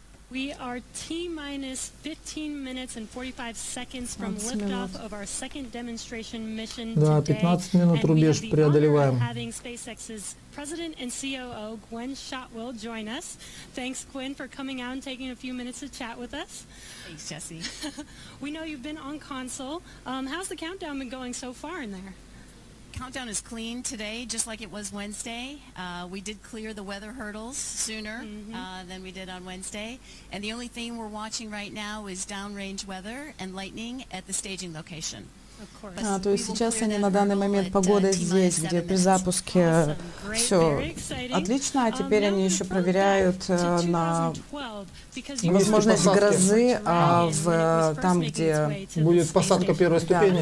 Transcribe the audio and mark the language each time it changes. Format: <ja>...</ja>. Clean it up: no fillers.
<en>We are T-minus 15 minutes and 45 seconds from liftoff of our second demonstration mission today.</en> <ru>Да, 15 минут рубеж преодолеваем.</ru> <en>Having SpaceX's president and COO Gwynn Shotwell join us. Thanks, Gwynn, for coming out and taking a few minutes to chat with us. Thanks, Jesse. We know you've been on console. How's the countdown been going so far in there? Countdown is clean today, just like it was Wednesday. We did clear the weather hurdles sooner than we did on Wednesday. And the only thing we're watching right now is downrange weather and lightning at the staging location.</en> <ru>То есть сейчас они на данный момент погода здесь, где при запуске все отлично, а теперь они еще проверяют на возможность грозы, а в там, где будет посадка первой ступени.</ru>